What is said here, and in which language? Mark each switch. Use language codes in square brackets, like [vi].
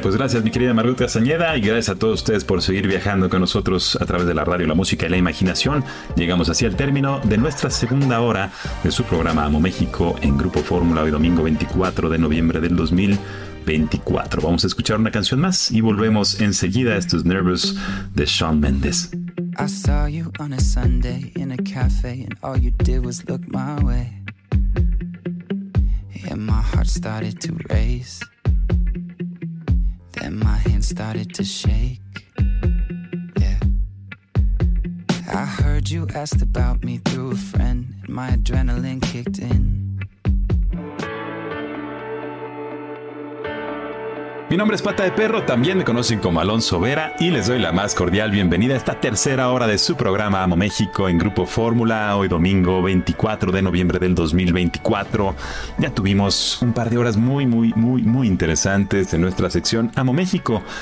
[es] Pues gracias, mi querida Margot Castañeda, y gracias a todos ustedes por seguir viajando con nosotros a través de la radio, la música y la imaginación. Llegamos así al término de nuestra segunda hora de su programa Amo México en Grupo Fórmula, hoy domingo 24 de noviembre del 2024. Vamos a escuchar una canción más y volvemos enseguida a estos Nervous de Shawn Mendes. [en] I saw you on a Sunday in a cafe and all you did was look my way. And my heart started to race. Then my hands started to shake. Yeah. I heard you asked about me through a friend and my adrenaline kicked in. [es] Mi nombre es Pata de Perro, también me conocen como Alonso Vera, y les doy la más cordial bienvenida a esta tercera hora de su programa Amo México en Grupo Fórmula. Hoy domingo 24 de noviembre del 2024. Ya tuvimos un par de horas muy interesantes en nuestra sección Amo México.